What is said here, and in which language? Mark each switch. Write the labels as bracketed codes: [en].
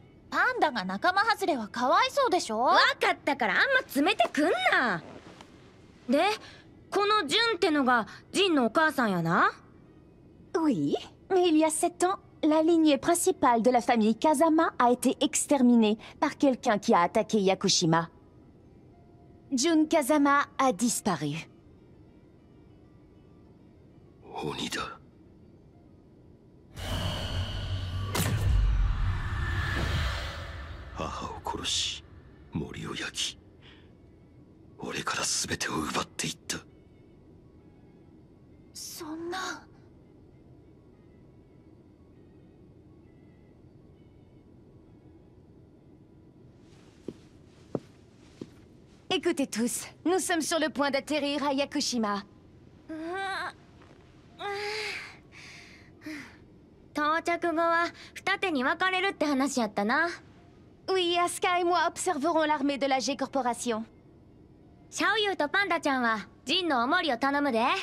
[ja] パンダが仲間外れはかわいそうでしょ。分かったからあんま詰めてくんな。でこのジュンってのがジンのお母さんやな。 [fr] Oui, il y a 7 ans, la lignée principale de la famille Kazama a été exterminée par quelqu'un qui a attaqué Yakushima. ジュン・カザマ a disparu. [ja] 鬼だ。母を殺し、森を焼き、俺から全てを奪っていった。そんな。 [fr] Écoutez tous, nous sommes sur le point d'atterrir à Yakushima. [ja] 到着後は二手に分かれるって話やったな。 [fr] Oui, Asuka et moi observerons l'armée de la G Corporation. [ja] シャオユーとパンダちゃんはジンのお守りを頼むで。